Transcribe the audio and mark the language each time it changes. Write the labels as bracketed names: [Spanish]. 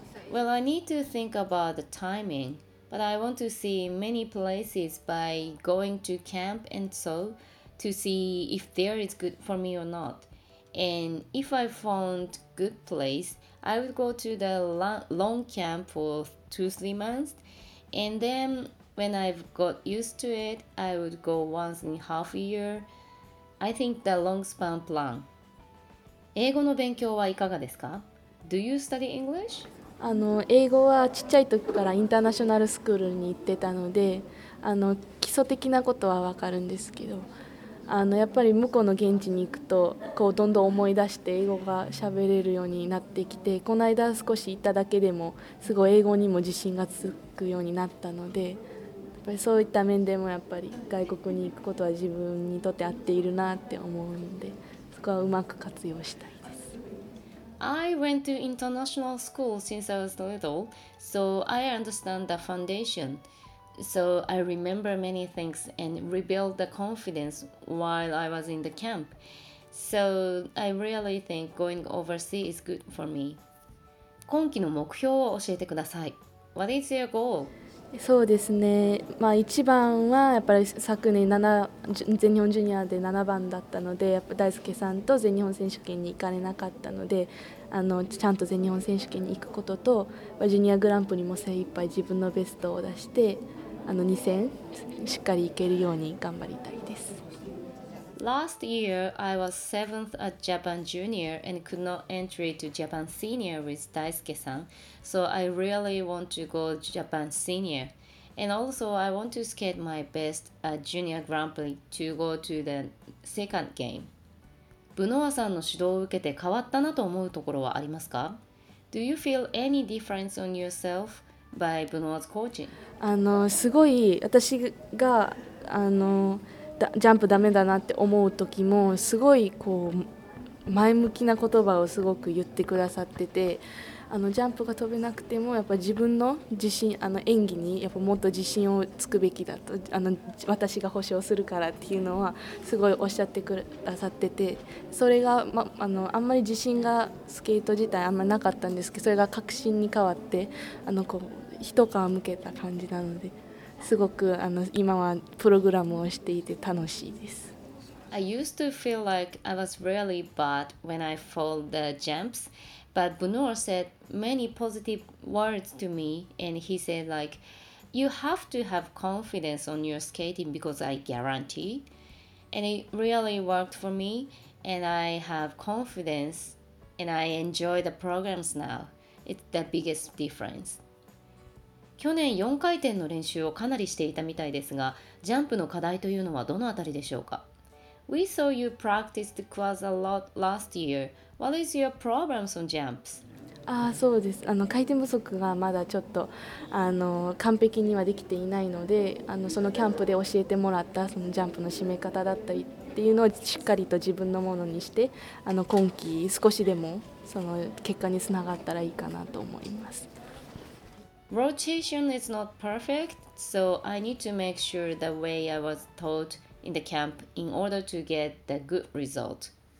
[English] Well, I need to think about the timing, but I want to see many places by going to camp and so to see if there is good for me or not. And if I found good place, I would go to the long camp for 2-3 months. And then when I've got used to it, I would go once in half a year. I think the long span plan. [Japanese] 英語の勉強はいかがですか? [English] Do you study English? [Japanese] 英語はちっちゃい時からインターナショナルスクールに行ってたので、基礎的なことは分かるんですけど、あのやっぱり向こうの現地に行くとこうどんどん思い出して英語が喋れるようになってきて、この間少し行っただけでもすごい英語にも自信がつくようになったので、やっぱりそういった面でもやっぱり外国に行くことは自分にとって合っているなって思うので、そこはうまく活用したいです。 [English] I went to international school since I was little, so I understand the foundationSo I remember many things and rebuild the confidence while I was in the camp. So I really think going overseas is good for me. [Japanese] 今期の目標を教えてください。 [English] What is your goal? [Japanese] そうですね。まあ一番はやっぱり昨年全日本ジュニアで7番だったので、やっぱ大輔さんと全日本選手権に行かれなかったので、あのちゃんと全日本選手権に行くことと、ジュニアグランプリも精一杯自分のベストを出して、あの2戦しっかり行けるように頑張りたいです。 [English] Last year I was 7th at Japan Junior and could not entry to Japan Senior with Daisuke-san, so I really want to go Japan Senior and also I want to skate my best at Junior Grand Prix to go to the second game. [Japanese] ブノアさんの指導を受けて変わったなと思うところはありますか？ [English] Do you feel any difference on yourselfBy Benoit's coaching. [Japanese] あのすごい私があのジャンプダメだなって思う時もすごいこう前向きな言葉をすごく言ってくださってて、あのジャンプが飛べなくてもやっぱ自分の自信、あの演技にやっぱもっと自信をつくべきだと、あの私が保証するからっていうのはすごいおっしゃってくださってて、それが、ま、あのあんまり自信がスケート自体あんまりなかったんですけど、それが確信に変わって、あのこう一皮むけた感じなので、すごくあの今はプログラムをしていて楽しいです。 [English] I used to feel like I was really bad when I fall the jumps, but Bunur said many positive words to me, and he said like, you have to have confidence on your skating because I guarantee. And it really worked for me, and I have confidence, and I enjoy the programs now. It's the biggest difference. [Japanese] 去年4回転の練習をかなりしていたみたいですが、ジャンプの課題というのはどのあたりでしょうか？ [English] We saw you practiced quads a lot last year. What is your problems on jumps? [Japanese] ああそうです。あの回転不足がまだちょっとあの完璧にはできていないので、あのそのキャンプで教えてもらったそのジャンプの締め方だったりっていうのをしっかりと自分のものにして、あの今季少しでもその結果につながったらいいかなと思います。 [English] Rotation is not perfect, so I need to make sure the way I was taught.in the camp in order to get the good result.